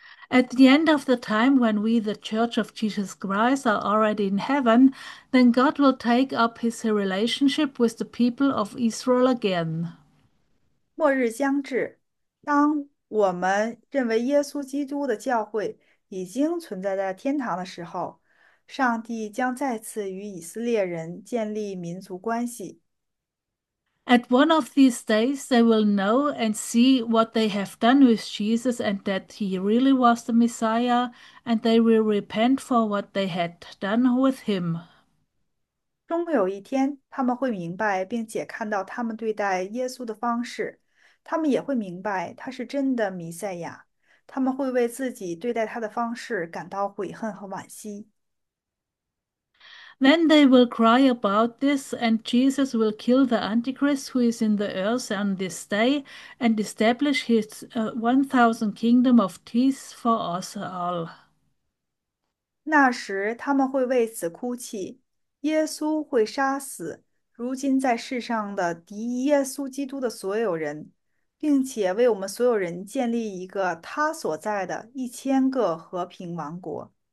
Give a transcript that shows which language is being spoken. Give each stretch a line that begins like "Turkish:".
English: At the end of the time, when we, the Church of Jesus Christ, are already in heaven, then God will take up his relationship with the people of Israel again.
Chinese: 末日将至，当我们认为耶稣基督的教会已经存在在天堂的时候，上帝将再次与以色列人建立民族关系。
English: At one of these days, they will know and see what they have done with Jesus and that he really was the Messiah, and they will repent for what they had done with him.
Chinese: 终有一天，他们会明白并且看到他们对待耶稣的方式，他们也会明白他是真的弥赛亚，他们会为自己对待他的方式感到悔恨和惋惜。
English: Then they will cry about this, and Jesus will kill the Antichrist who is in the earth on this day and establish his 1,000 kingdom of peace for us all.
Chinese: 那时他们会为此哭泣，耶稣会杀死如今在世上的敌耶稣基督的所有人，并且为我们所有人建立一个他所在的1000个和平王国。